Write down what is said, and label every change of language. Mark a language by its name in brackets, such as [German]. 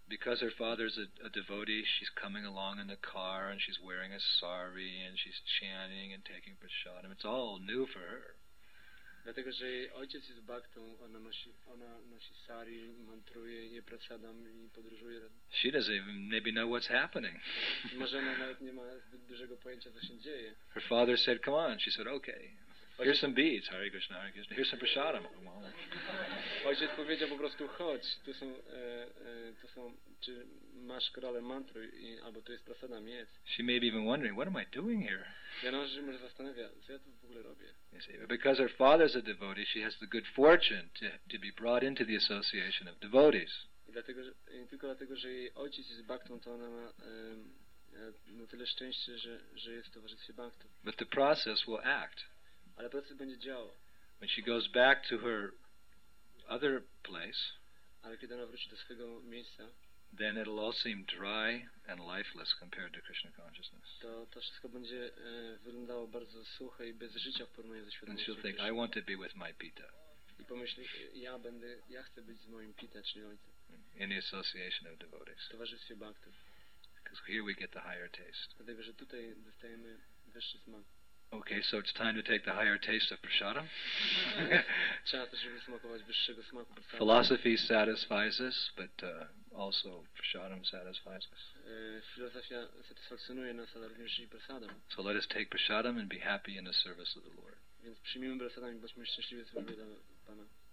[English] Because her father is a devotee, she's coming along in the car and she's wearing a sari and she's chanting and taking prasadam. It's all new for her. [Polish] Dlatego, że jej ojciec jest bhaktą, ona nosi sari, mantruje, je prasadam i podróżuje. [English] She doesn't even maybe know what's happening. [Polish] Może ona nawet nie ma zbyt dużego pojęcia, co się dzieje. [English] Her father said, come on. She said, okay. Here's some beads. Hare Krishna, Hare Krishna. Here's some prasadam. [Polish] Ojciec powiedział po prostu, chodź, tu są, czy masz krale mantru, albo tu jest prasadam, jest. [English] She may be even wondering, what am I doing here? [Polish] Ja no, że może zastanawia, co ja tu w ogóle robię. [English] See, because her father is a devotee, she has the good fortune to be brought into the association of devotees. [Polish] Tylko dlatego, że jej ojciec jest bhaktą, to ona ma tyle szczęścia, że jest w towarzystwie bhaktów. [English] But the process will act. [Polish] Ale proces będzie działał. [English] When she goes back to her other place, [Polish] ale kiedy ona wróci do swojego miejsca, [English] then it'll all seem dry and lifeless compared to Krishna consciousness. [Polish] To wszystko będzie wyglądało bardzo suche i bez życia w porównaniu ze świadomością. [English] And she'll think, I want to be with my Pita. [Polish] I pomyśli, ja chcę być z moim Pita, czyli ojcem. [English] In the association of devotees. [Polish] W towarzystwie bhaktów. [English] Because here we get the higher taste. [Polish] Dlatego, że tutaj dostajemy wyższy smak. [English] Okay, so it's time to take the higher taste of prasadam. [Polish] Trzeba też, żeby smakować wyższego smaku. [English] Philosophy satisfies us, but also prasadam satisfies us. [Polish] Filozofia satysfakcjonuje nas, ale również i prasadam. [English] So let us take prasadam and be happy in the service of the Lord. [Polish] Więc przyjmijmy prasadam i bądźmy szczęśliwi w służbie dla Pana.